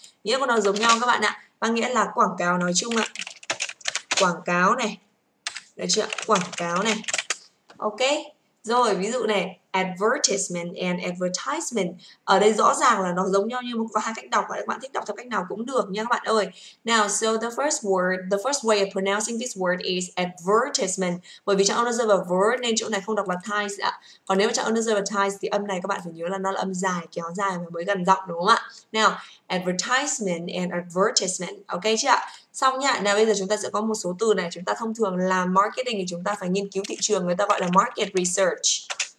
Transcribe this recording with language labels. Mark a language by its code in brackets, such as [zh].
[vi] Nghĩa của nó giống nhau các bạn ạ. Và nghĩa là quảng cáo nói chung ạ. Quảng cáo này. Được chưa? Quảng cáo này. Ok. Rồi, ví dụ này, advertisement and advertisement. Ở đây rõ ràng là nó giống nhau nhưng mà có hai cách đọc, và các bạn thích đọc theo cách nào cũng được nha các bạn ơi. [en] Now, so the first word, the first way of pronouncing this word is advertisement. [vi] Bởi vì trọng âm nó rơi vào ver nên chỗ này không đọc là ties ạ. Còn nếu mà trọng âm nó rơi vào ties thì âm này các bạn phải nhớ là nó là âm dài, kéo dài và mới gần giọng đúng không ạ? Now, advertisement and advertisement. Ok chưa ạ? Xong nha. Nào bây giờ chúng ta sẽ có một số từ này. Chúng ta thông thường làm marketing thì chúng ta phải nghiên cứu thị trường, người ta gọi là market research.